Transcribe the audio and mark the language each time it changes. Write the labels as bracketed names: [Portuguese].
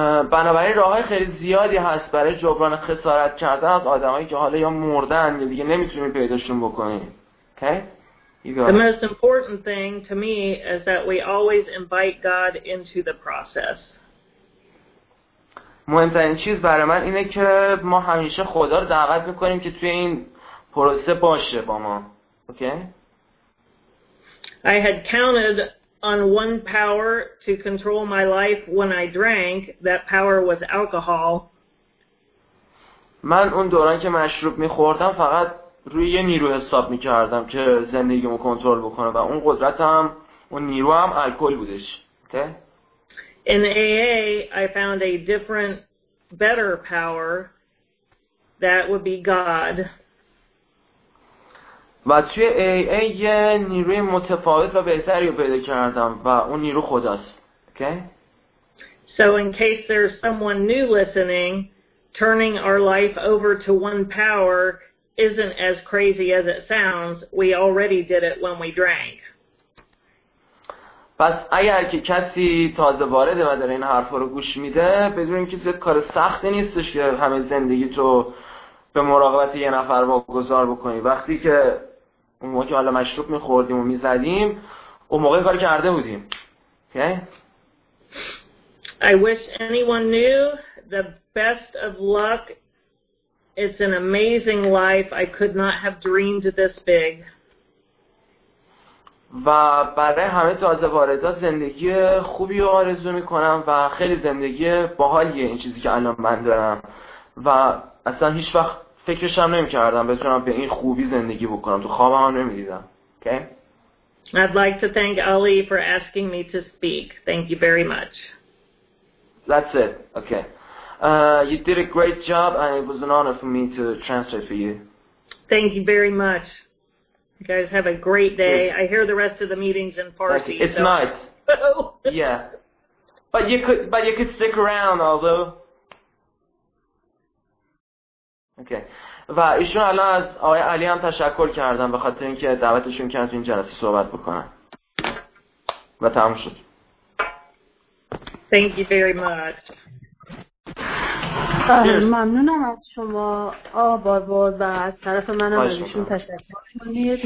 [Persian] بنابراین راه های خیلی زیادی هست برای جبران خسارت کردن از آدم هایی که حالا یا مردن یا دیگه نمیتونی پیداشون بکنی. [English] Okay? The most important thing to me is that we always invite God into the process. [Persian] مهمترین چیز برای من اینه که ما همیشه خدا رو دعوت میکنیم که توی این پروسه باشه با ما. [English] Okay? I had counted on one power to control my life when I drank. That power was alcohol. [Persian] من اون دوران که مشروب می‌خوردم فقط روی یه نیرو حساب میکردم که زندگیمو کنترل بکنه و اون قدرتم اون نیرو هم الکل بودش. [English] Okay. In AA, I found a different, better power that would be God. [Persian] و توی AA یه نیروی متفاوت و بهتری رو پیدا کردم و اون نیرو خداست. [English] Okay. So in case there's someone new listening, turning our life over to one power isn't as crazy as it sounds. We already did it when we drank. [Persian] پس اگر که کسی تازه وارده و داره این حرفا رو گوش میده، بدونیم که زیاد کار سختی نیستش که همه زندگی تو به مراقبت یه نفر واگذار بکنی. وقتی که اون موقع که حالا مشروب میخوردیم و میزدیم، اون موقع کار کرده بودیم. [English] Okay. I wish anyone knew the best of luck. It's an amazing life. I could not have dreamed this big. [Persian] و برای همه تازه واردا زندگی خوبی رو آرزو میکنم و خیلی زندگی باحالیه این چیزی که الان من دارم و اصلا هیچ وقت فکرش هم نمیکردم بتونم به این خوبی زندگی بکنم، تو خوابم هم نمیدیدم. [English] Okay. I'd like to thank Ali for asking me to speak. Thank you very much. That's it. Okay. You did a great job and it was an honor for me to translate for you. Thank you very much. You guys have a great day. I hear the rest of the meetings in Farsi. It's so nice. Yeah. But you could stick around, although. Okay. [Persian] و ایشون الان از آقای علی هم تشکر کردن به خاطر اینکه دعوتشون کرد این جلسه صحبت بکنن. و تمام شد. [English] Thank you very much. [Persian] ممنونم از شما آبارباز و از طرف منم از ایشون تشکر کنید.